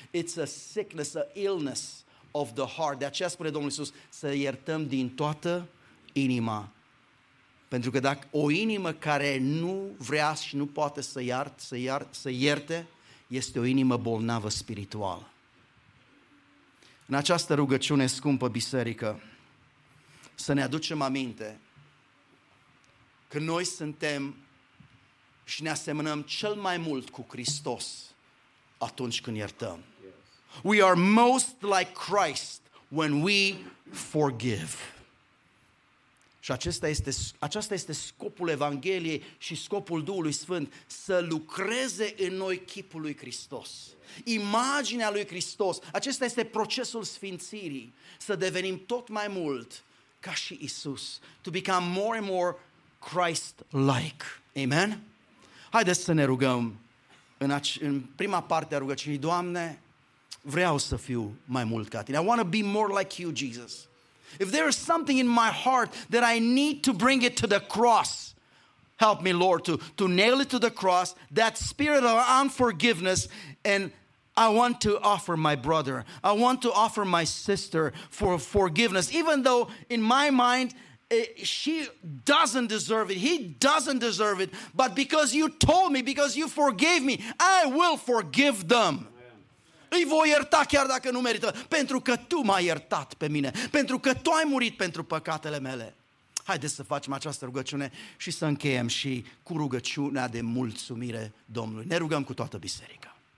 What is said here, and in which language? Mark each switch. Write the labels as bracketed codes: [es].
[en] It's a sickness, an illness of the heart. [ro] De aceea spune Domnul Iisus, să iertăm din toată inima. Pentru că dacă o inimă care nu vrea și nu poate să ierte, este o inimă bolnavă spirituală. În această rugăciune, scumpă biserică, să ne aducem aminte că noi suntem și ne asemănăm cel mai mult cu Hristos atunci când iertăm. [en] We are most like Christ when we forgive. [ro] Și aceasta este scopul Evangheliei și scopul Duhului Sfânt, să lucreze în noi chipul lui Hristos, imaginea lui Hristos. Acesta este procesul sfințirii, să devenim tot mai mult ca și Iisus. [en] To become more and more Christ-like. Amen? [ro] Haideți să ne rugăm în prima parte a rugăciunii. Doamne, vreau să fiu mai mult ca Tine. [en] I want to be more like You, Jesus. If there is something in my heart that I need to bring it to the cross, help me, Lord, to nail it to the cross, that spirit of unforgiveness, and I want to offer my brother, I want to offer my sister for forgiveness, even though in my mind, she doesn't deserve it, he doesn't deserve it, but because you told me, because you forgave me, I will forgive them. [ro] îi voi ierta chiar dacă nu merită, pentru că tu m-ai iertat pe mine, pentru că tu ai murit pentru păcatele mele. Haideți să facem această rugăciune și să încheiem și cu rugăciunea de mulțumire Domnului. Ne rugăm cu toată biserica.